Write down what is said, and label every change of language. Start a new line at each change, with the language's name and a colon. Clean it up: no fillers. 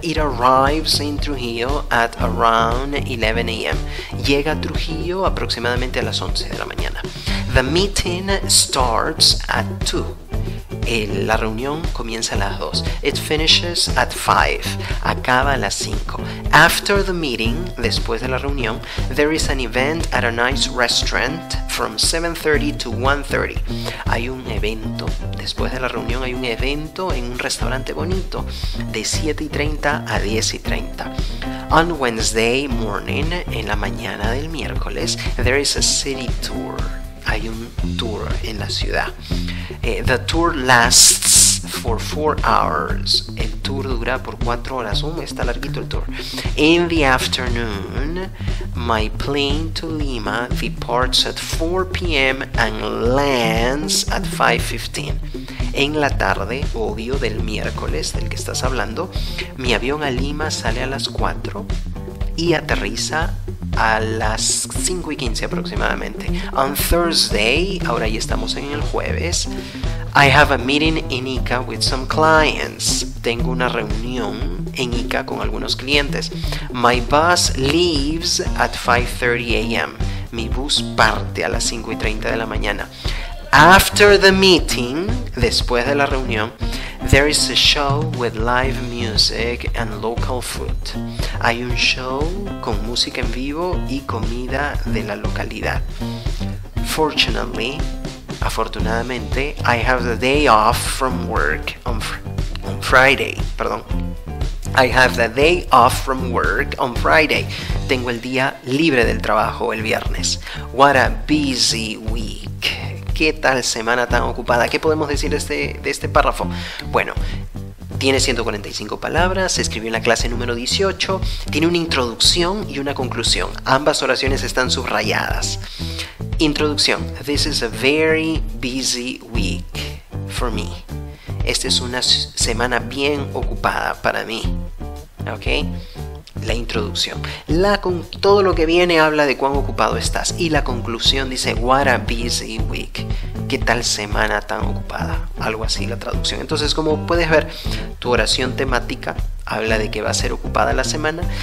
English: It arrives in Trujillo at around 11 a.m.
Spanish: Llega a Trujillo aproximadamente a las 11 de la mañana.
English: The meeting starts at 2.
Spanish: La reunión comienza a las 2.
English: It finishes at 5.
Spanish: Acaba a las 5.
English: After the meeting,
Spanish: después de la reunión,
English: there is an event at a nice restaurant from 7:30 to 1:30.
Spanish: Hay un evento. Después de la reunión hay un evento en un restaurante bonito de 7:30 a 10:30.
English: On Wednesday morning,
Spanish: en la mañana del miércoles,
English: there is a city tour.
Spanish: Hay un tour en la ciudad.
English: The tour lasts for 4 hours.
Spanish: El tour dura por 4 horas. Está larguito el tour.
English: In the afternoon, my plane to Lima departs at 4 p.m. and lands at 5:15.
Spanish: En la tarde, obvio, del miércoles del que estás hablando, mi avión a Lima sale a las 4 y aterriza a las 5:15 aproximadamente.
English: On Thursday,
Spanish: ahora ya estamos en el jueves,
English: I have a meeting in Ica with some clients.
Spanish: Tengo una reunión en Ica con algunos clientes.
English: My bus leaves at 5:30 a.m.
Spanish: Mi bus parte a las 5:30 de la mañana.
English: After the meeting,
Spanish: después de la reunión,
English: there is a show with live music and local food.
Spanish: Hay un show con música en vivo y comida de la localidad.
English: Fortunately,
Spanish: afortunadamente,
English: I have the day off from work on Friday. I have the day off from work on Friday.
Spanish: Tengo el día libre del trabajo el viernes.
English: What a busy week.
Spanish: ¿Qué tal semana tan ocupada? ¿Qué podemos decir de este párrafo? Bueno, tiene 145 palabras, se escribió en la clase número 18, tiene una introducción y una conclusión. Ambas oraciones están subrayadas. Introducción.
English: This is a very busy week for me.
Spanish: Esta es una semana bien ocupada para mí. ¿Ok? La introducción. Todo lo que viene habla de cuán ocupado estás. Y la conclusión dice,
English: what a busy week.
Spanish: ¿Qué tal semana tan ocupada? Algo así la traducción. Entonces, como puedes ver, tu oración temática habla de que va a ser ocupada la semana.